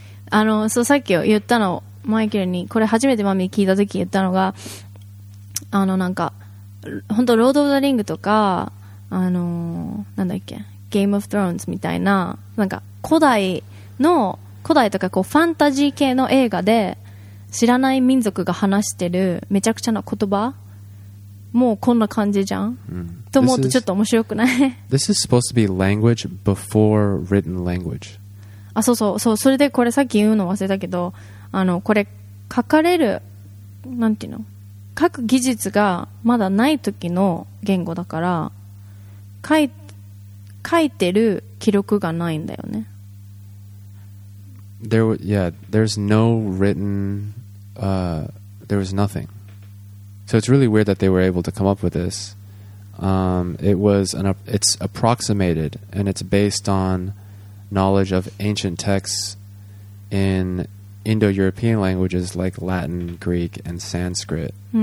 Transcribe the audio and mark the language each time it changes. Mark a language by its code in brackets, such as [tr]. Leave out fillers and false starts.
[ja] あのそうさっき言ったのマイケルにこれ初めてマミ聞いた時言ったのがあのなんか本当ロード・オブ・ザ・リングとかあのなんだっけゲーム・オブ・トローンズみたいななんか古代の古代とかこうファンタジー系の映画で知らない民族が話してるめちゃくちゃな言葉もうこんな感じじゃん、 mm. と思うとちょっと面白くない [en] This is supposed to be language before written language [ja] あ、そうそう、そう、それでこれさっき言うの忘れたけど、あの、これ書かれる、なんていうの、書く技術がまだない時の言語だから、書いてる記録がないんだよね。 [en] There, yeah, there's no written, there was nothing. So it's really weird that they were able to come up with this. It was an, it's approximated and it's based on. Knowledge of ancient texts in Indo-European languages like Latin, Greek, and Sanskrit.